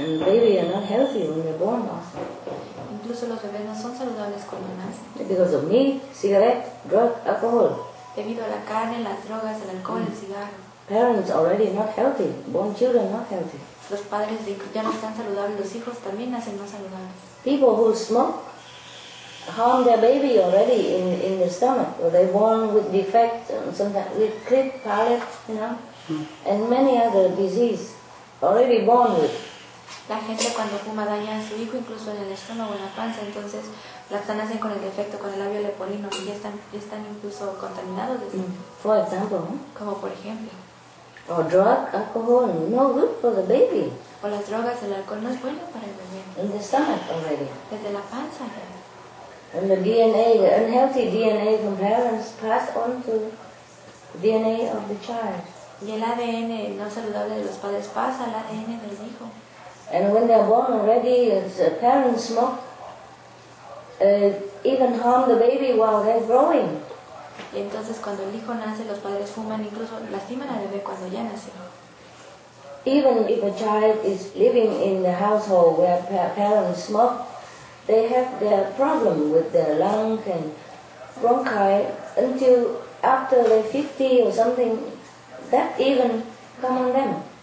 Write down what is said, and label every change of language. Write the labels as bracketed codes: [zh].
[en] And babies are not healthy when they're born also. [es] Incluso los bebés no son saludables cuando nacen. [en] Because of meat, cigarette, drug, alcohol. [es] Debido a la carne, las drogas, el alcohol, el cigarro. [en] Parents already not healthy. Born children not healthy. [es] Los padres ya no están saludables. Los hijos también nacen no saludables. [en] People who smoke harm their baby already in the stomach, or they born with defects, sometimes with clipped palate, you know, and many other diseases already born with. [es] La gente cuando fuma daña a su hijo incluso en el estómago o en la panza, entonces las nacen con el defecto con el labio leporino y ya están incluso contaminados desde. [en] For example. [es] Como por ejemplo. [en] Or drug, alcohol, no good for the baby. [es] O las drogas, el alcohol no es bueno para el bebé. [en] In the stomach already. [es] Desde la panza. [en] And the DNA, the unhealthy DNA from parents pass on to DNA of the child. [es] Y el ADN no saludable de los padres pasa al ADN del hijo. [en] And when they are born already, the parents smoke, even harm the baby while they're growing. [es] Y entonces cuando el hijo nace, los padres fuman, incluso lastiman al bebé cuando ya nace. [en] Even if a child is living in the household where parents smoke, they have their problem with their lung and bronchi until after they're 50 or something, that even come on them.